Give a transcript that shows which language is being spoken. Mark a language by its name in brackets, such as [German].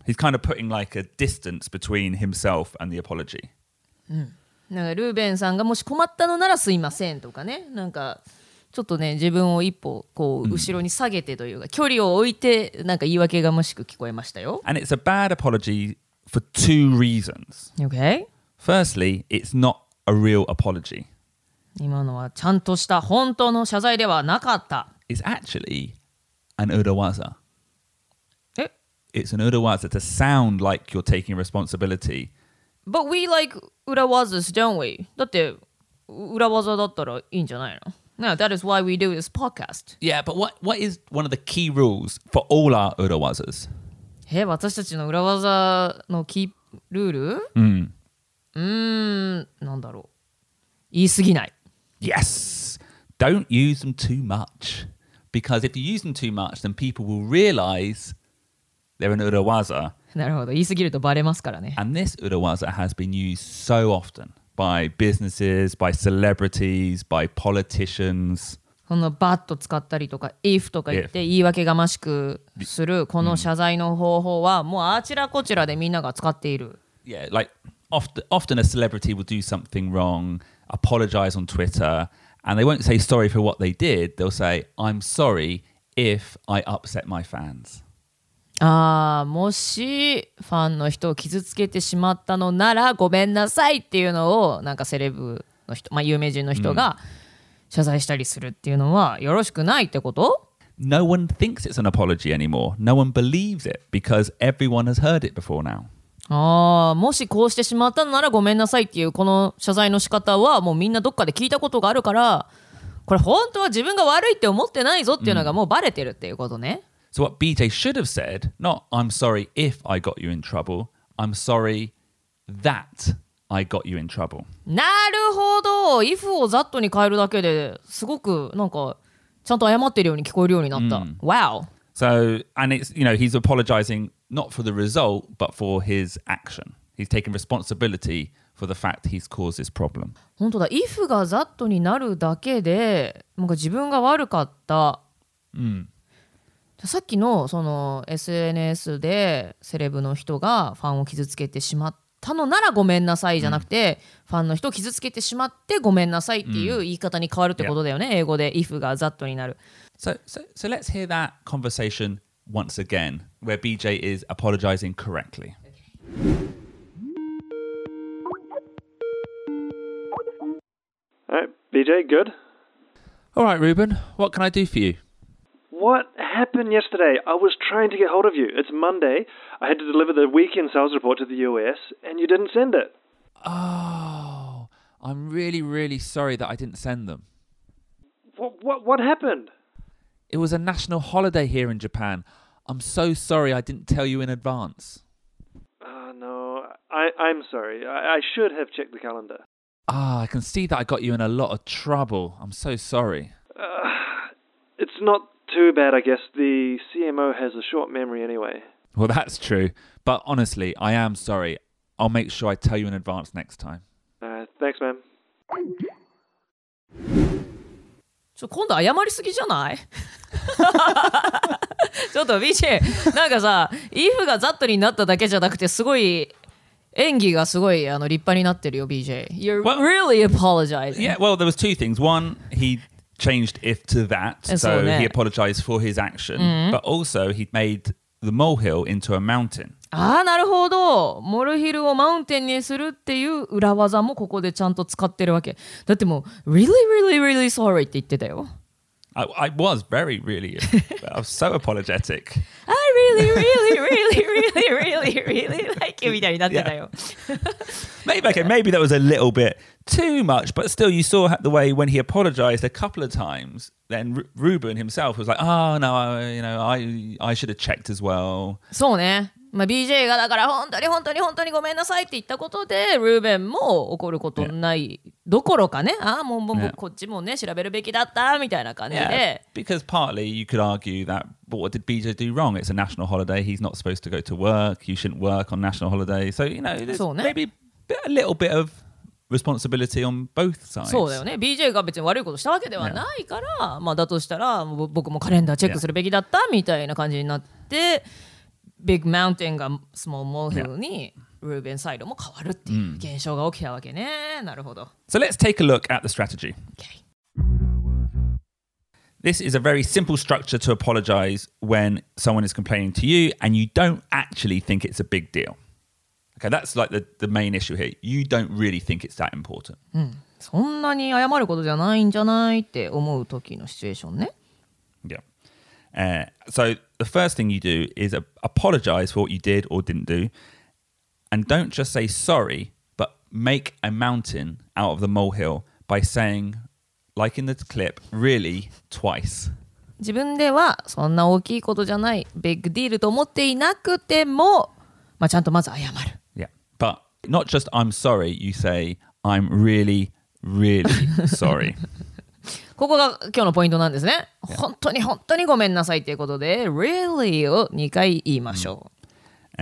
[English] He's kind of putting like a distance between himself and the apology. [Japanese] なんかルーベンさんがもし困ったのならすいませんとかね。なんかちょっとね、自分を一歩こう後ろに下げてというか、距離を置いてなんか言い訳がましく聞こえましたよ。 [English] And it's a bad apology for two reasons. Okay. Firstly, it's not a real apology. [Japanese] 今のはちゃんとした本当の謝罪ではなかった。 [English] It's actually... An urawaza. Eh? It's an urawaza to sound like you're taking responsibility. But we like urawazas, don't we? [Japanese] だって urawaza だったらいいんじゃないの? [English] No, that is why we do this podcast. Yeah, but what is one of the key rules for all our urawazas? [Japanese] え、私たちの urawaza のキールール?なんだろう。言い過ぎない。 [English] Yes! Don't use them too much. Because if you use them too much, then people will realize they're an urawaza. [Japanese] なるほど。言いすぎるとバレますからね。 [English] And this urawaza has been used so often by businesses, by celebrities, by politicians. [Japanese] この but 使ったりとか if とか言って言い訳がましくするこの謝罪の方法はもうあちらこちらでみんなが使っている。 [English] Yeah, like often a celebrity will do something wrong, apologize on Twitter,And they won't say sorry for what they did. They'll say, I'm sorry if I upset my fans. [Japanese] Ah, もしファンの人を傷つけてしまったのならごめんなさいっていうのをなんかセレブの人、まあ有名人の人が謝罪したりするっていうのはよろしくないってこと? [English] no one thinks it's an apology anymore. No one believes it because everyone has heard it before now. [Japanese] ああ、もしこうしてしまったならごめんなさいっていうこの謝罪の仕方はもうみんなどっかで聞いたことがあるから、これ本当は自分が悪いって思ってないぞっていうのがもうバレてるっていうことね。 [English] So what BJ should have said, not I'm sorry if I got you in trouble, I'm sorry that I got you in trouble. [Japanese] なるほど。 if をざっとに変えるだけですごくなんかちゃんと謝ってるように聞こえるようになった。 [English] Mm. Wow. So, and it's, you know, he's apologizing not for the result, but for his action. He's taking responsibility for the fact he's caused this problem. [Japanese] 本当だ。 if がざっとになるだけで、なんか自分が悪かった。 Mm. さっきのその SNS でセレブの人がファンを傷つけてしまったのならごめんなさいじゃなくて、ファンの人を傷つけてしまってごめんなさいっていう言い方に変わるってことだよね、英語で if がざっとになる。 [English] So let's hear that conversation once again where BJ is apologizing correctly. Alright, BJ, good? Alright, Ruben, what can I do for you? What happened yesterday? I was trying to get hold of you. It's Monday. I had to deliver the weekend sales report to the US and you didn't send it. Oh, I'm really, really sorry that I didn't send them. What happened? It was a national holiday here in Japan. I'm so sorry I didn't tell you in advance. No, I'm sorry. I should have checked the calendar. Ah, I can see that I got you in a lot of trouble. I'm so sorry. It's not... Too bad, I guess. The CMO has a short memory anyway. Well, that's true. But honestly, I am sorry. I'll make sure I tell you in advance next time. Thanks, man. [Japanese] ちょ、今度謝りすぎじゃない? ちょっと、ビーチ、なんかさ、if がざっとになっただけじゃなくて、すごい、演技がすごい、立派になってるよ、BJ. [English] You're well, really apologizing. Yeah, well, there was two things. One, he... changed if to that, so、 [Japanese] ね、 [English] he apologized for his action,、mm-hmm. but also he made the molehill into a mountain. [Japanese] Ah, なるほど。モルヒルをマウンテンにするっていう裏技もここでちゃんと使ってるわけ。だってもう、 [English] really, really, really sorry [Japanese] って言ってたよ。 [English] I was very, really, I was so apologetic. I really, really, really, really, really, really like you [Japanese] みたいになってたよ。 [English] maybe that was a little bit... Too much, but still, you saw the way when he apologized a couple of times. Then Ruben himself was like, "Oh no, I should have checked as well." [Japanese] そうね。まあ BJ がだから本当に本当に本当にごめんなさいって言ったことで、Ruben も怒ることない、yeah. どころかね。ああ、もう、yeah. こっちもね調べるべきだったみたいな感じで。 [English] Yeah. Because partly you could argue that, but what did BJ do wrong? It's a national holiday. He's not supposed to go to work. You shouldn't work on national holiday. So you know, there's、 [Japanese] ね、 [English] maybe a little bit of. Responsibility on both sides. [Japanese] そうだよね。BJ が別に悪いことしたわけではないから、yeah. まあだとしたら僕もカレンダーチェックするべきだったみたいな感じになって、Big Mountain が Small Molehill に、Ruben サイドも変わるっていう現象が起きたわけね。なるほど。 [English] So let's take a look at the strategy. This is a very simple structure to apologize when someone is complaining to you and you don't actually think it's a big deal. Okay, that's like the main issue here. You don't really think it's that important. [Japanese] そんなに謝ることじゃないんじゃないって思う時のシチュエーションね。 [English] Yeah. So the first thing you do is apologize for what you did or didn't do. And don't just say sorry, but make a mountain out of the molehill by saying, like in the clip, really twice. [Japanese] 自分ではそんな大きいことじゃない、big deal と思っていなくても、まあ、ちゃんとまず謝る。 [English] Not just I'm sorry, you say I'm really, really sorry. [Japanese] ここが今日のポイントなんですね。 [English] Yeah. [Japanese] 本当に本当にごめんなさいということで really を2回言いましょう。